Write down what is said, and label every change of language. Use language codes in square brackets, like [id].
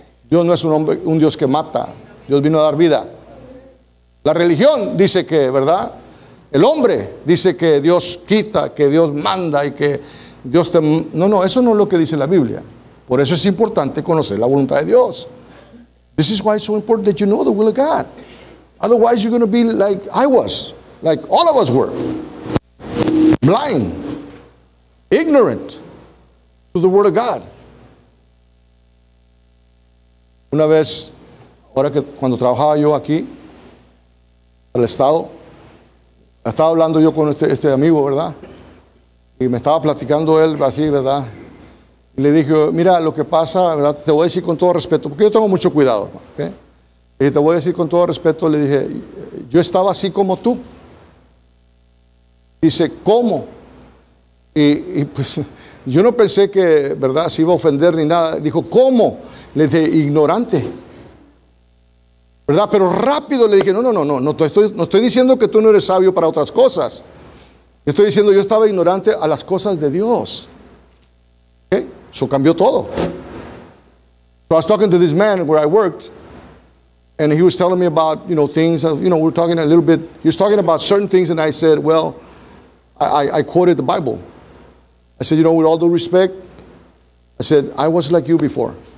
[es] Dios no es un hombre, un Dios que mata. Dios vino a dar vida. La religión dice que, ¿verdad? El hombre dice que Dios quita, que Dios manda y que Dios te... No, no, eso no es lo que dice la Biblia. Por eso es importante conocer la voluntad de Dios. [en] This is why it's so important that you know the will of God. Otherwise, you're going to be like I was, like all of us were. Blind, ignorant to the word of God. [es] Una vez, ahora que cuando trabajaba yo aquí, al estado, estaba hablando yo con este amigo, ¿verdad? Y me estaba platicando él así, ¿verdad? Y le dije, mira, lo que pasa, ¿verdad? Te voy a decir con todo respeto, porque yo tengo mucho cuidado, ¿okay? Y te voy a decir con todo respeto, le dije, yo estaba así como tú. Dice, ¿cómo? Y pues, yo no pensé que, ¿verdad?, se iba a ofender ni nada. Dijo, ¿cómo? Le dije, ignorante, ¿verdad? Pero rápido le dije, no estoy diciendo que tú no eres sabio para otras cosas. Yo estoy diciendo, yo estaba ignorante a las cosas de Dios. ¿Okay? Eso cambió todo. [en] So I was talking to this man where I worked, and he was telling me about, you know, things, you know, we're talking a little bit, he was talking about certain things, and I said, well, I quoted the Bible. I said, you know, with all due respect, I said, I was like you before.